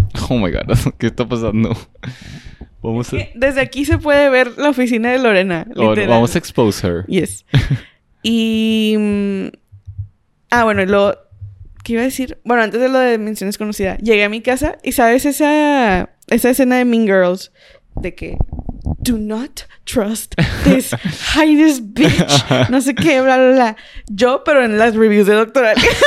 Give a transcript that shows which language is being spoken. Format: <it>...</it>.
<en>Oh my God,</en> <es>¿qué está pasando? Vamos a... Desde aquí se puede ver la oficina de Lorena. Literal. Vamos a</es> <en>expose her. Yes.</en> <es>Y... Ah, bueno, y luego... ¿Qué iba a decir? Bueno, antes de lo de mención desconocida. Llegué a mi casa y, ¿sabes? Esa escena de Mean Girls. De que...</es> <en>Do not trust this heinous bitch.</en> <es>No sé qué, bla, bla, bla. Yo, pero en las reviews de doctoral.</es>